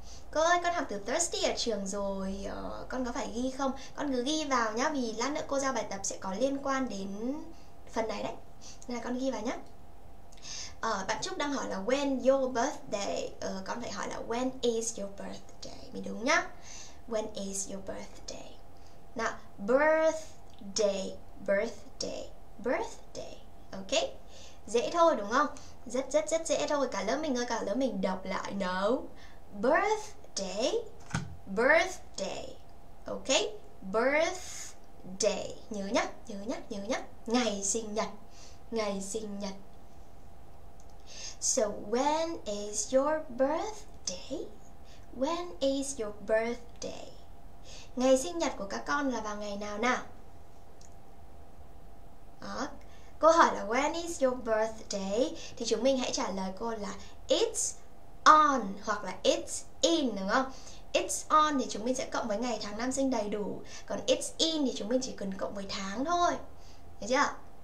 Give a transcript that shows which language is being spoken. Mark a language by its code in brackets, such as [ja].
[vi] Cô ơi, con học từ thirsty ở trường rồi, con có phải ghi không? Con cứ ghi vào nhá, vì lát nữa cô giao bài tập sẽ có liên quan đến phần này đấy. Nên là con ghi vào nhá. Bạn Trúc đang hỏi là when your birthday. Con phải hỏi là [en] when is your birthday [vi] mới đúng nhá. [en] When is your birthday? Nào, birthday, birthday, birthday. [vi] Ok, dễ thôi đúng không? Rất rất rất dễ thôi. Cả lớp mình ơi, cả lớp mình đọc lại nào. Birthday, birthday. Ok, birthday. Nhớ nhá, nhớ nhá, nhớ nhá. Ngày sinh nhật, ngày sinh nhật. [en] So when is your birthday? When is your birthday? [vi] Ngày sinh nhật của các con là vào ngày nào nào? Đó. Cô hỏi là [en] when is your birthday? [vi] Thì chúng mình hãy trả lời cô là [en] it's on [vi] hoặc là [en] it's in [vi] đúng không? [en] It's on [vi] thì chúng mình sẽ cộng với ngày tháng năm sinh đầy đủ. Còn [en] it's in [vi] thì chúng mình chỉ cần cộng với tháng thôi. Được chưa?